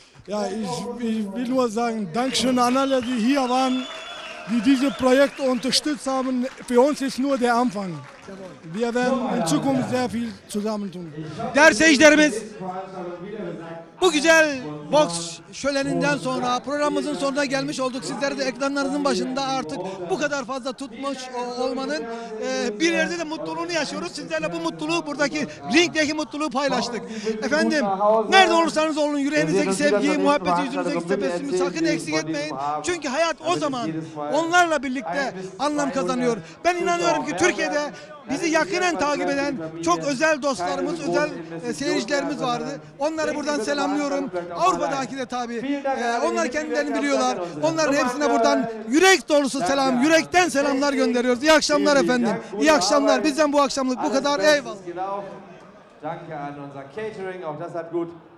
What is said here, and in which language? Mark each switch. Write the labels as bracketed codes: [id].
[de] Ja, ich will nur sagen, Dankeschön an alle, die hier waren, die dieses Projekt unterstützt haben. Für uns ist nur der Anfang. Wir werden in Zukunft sehr viel zusammentun. [tr] Değerli seyircilerimiz, bu güzel boks şöleninden sonra programımızın sonuna gelmiş olduk. Sizler de ekranlarınızın başında artık bu kadar fazla tutmuş olmanın bir yerde de mutluluğunu yaşıyoruz. Sizlerle bu mutluluğu buradaki ringdeki mutluluğu paylaştık. Efendim, nerede olursanız olun yüreğinizdeki sevgiyi, muhabbeti, yüzünüzdeki tebessümü sakın eksik etmeyin. Çünkü hayat o zaman onlarla birlikte anlam kazanıyor. Ben inanıyorum ki Türkiye'de bizi yakinen takip eden çok özel dostlarımız, özel seyircilerimiz vardı. Onları buradan selamlıyorum. Avrupa'daki de tabii. Onlar kendilerini biliyorlar. Onların hepsine buradan yürek dolusu selam, yürekten selamlar gönderiyoruz. İyi akşamlar efendim. İyi akşamlar. Bizden bu akşamlık bu kadar. Eyvallah. [de] Danke an unser Catering. Auch das hat gut.